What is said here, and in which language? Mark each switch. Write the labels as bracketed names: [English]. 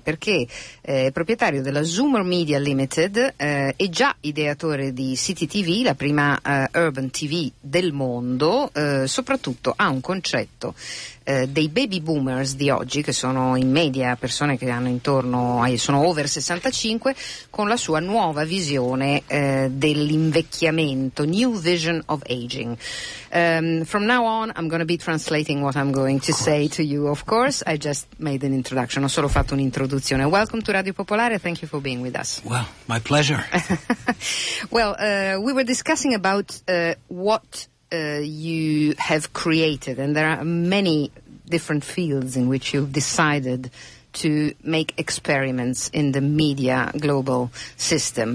[Italian] Perché è proprietario della Zoomer Media Limited, è già ideatore di City TV, la prima urban TV del mondo, soprattutto ha un concetto dei baby boomers di oggi, che sono in media persone che hanno sono over 65, con la sua nuova visione dell'invecchiamento, [English] New Vision of Aging. From now on I'm going to be translating what I'm going to say to you, of course. I just made an introduction, [Italian] ho solo fatto un'introduzione. [English] Welcome to Radio Popolare, thank you for being with us. Well, my pleasure. Well, we were discussing about what you have created, and there are many different fields in which you've decided to make experiments in the media global system.